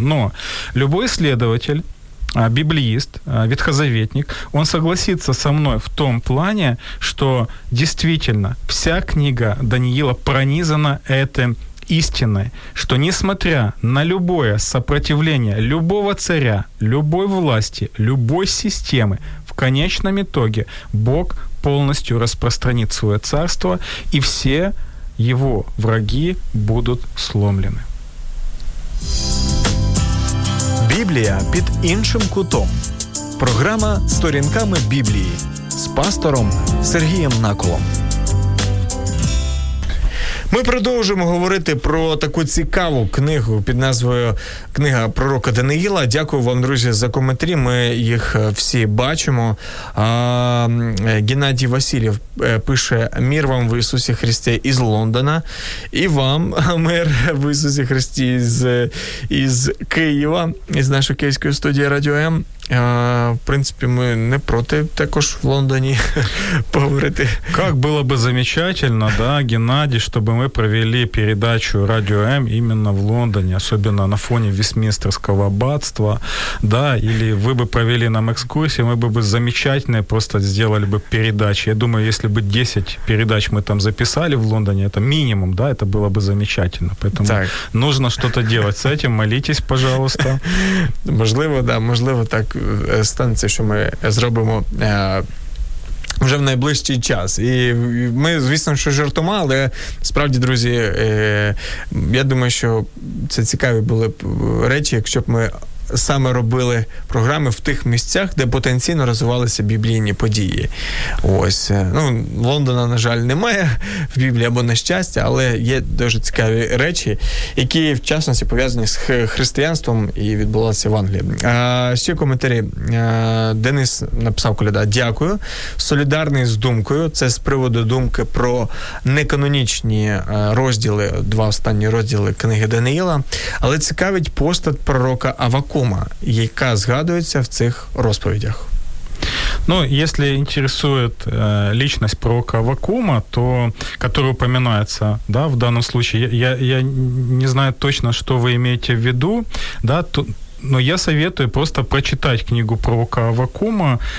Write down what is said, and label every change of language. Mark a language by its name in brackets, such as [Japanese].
[Russian] Но любой исследователь, библиист, ветхозаветник, он согласится со мной в том плане, что действительно вся книга Даниила пронизана этой истиной, что несмотря на любое сопротивление любого царя, любой власти, любой системы, в конечном итоге Бог полностью распространит свое царство, и все его враги будут сломлены. [Ukrainian] Біблія під іншим кутом. Програма «Сторінками Біблії» з пастором Сергієм Наколом. Ми продовжуємо говорити про таку цікаву книгу під назвою «Книга пророка Даниїла». Дякую вам, друзі, за коментарі. Ми їх всі бачимо. Геннадій Васильєв пише: «Мір вам в Ісусі Христі із Лондона». І вам мир в Ісусі Христі із Києва, із нашої київської студії «Радіо М». [Russian] В принципе, мы не против також в Лондоне поговорити. Как было бы замечательно, да, Геннадий, чтобы мы провели передачу «Радио М» именно в Лондоне, особенно на фоне Вестминстерского аббатства, да, или вы бы провели нам экскурсию, мы бы замечательные просто сделали бы передачи. Я думаю, если бы 10 передач мы там записали в Лондоне, это минимум, да, это было бы замечательно. Поэтому так. Нужно что-то делать с этим, молитесь, пожалуйста. [Ukrainian] Можливо, да, можливо так станеться, що ми зробимо вже в найближчий час. І ми, звісно, що жартома, але справді, друзі, я думаю, що це цікаві були б речі, якщо б ми саме робили програми в тих місцях, де потенційно розвивалися біблійні події. Ось. Ну, Лондона, на жаль, немає в Біблії, або на щастя, але є дуже цікаві речі, які в частності пов'язані з християнством і відбувалися в Англії. Ще коментарі. Денис написав: «Коляда, дякую. Солідарний з думкою». Це з приводу думки про неканонічні розділи, два останні розділи книги Даниїла. Але цікавить постать пророка Аввакума, яка згадується в цих розповідях. [Russian] Ну, если интересует личность пророка Аввакума, то, который упоминается, да, в данном случае, я не знаю точно, что вы имеете в виду, да, то, Но я советую просто прочитать книгу пророка Аввакума.